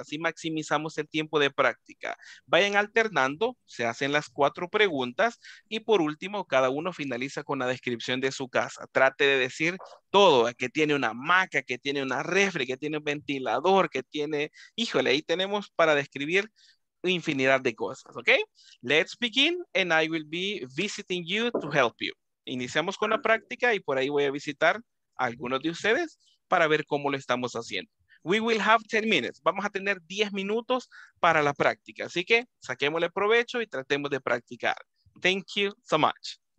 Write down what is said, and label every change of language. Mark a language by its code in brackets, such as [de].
[es] Así maximizamos el tiempo de práctica. Vayan alternando. Se hacen las cuatro preguntas. Y por último, cada uno finaliza con la descripción de su casa. Trate de decir todo. Que tiene una hamaca, que tiene una refri, que tiene un ventilador, que tiene... Híjole, ahí tenemos para describir infinidad de cosas. ¿Ok? [en] Let's begin and I will be visiting you to help you. [es] Iniciamos con la práctica y por ahí voy a visitar algunos de ustedes para ver cómo lo estamos haciendo. [en] We will have 10 minutes. [es] Vamos a tener 10 minutos para la práctica. Así que saquémosle provecho y tratemos de practicar. [en] Thank you so much.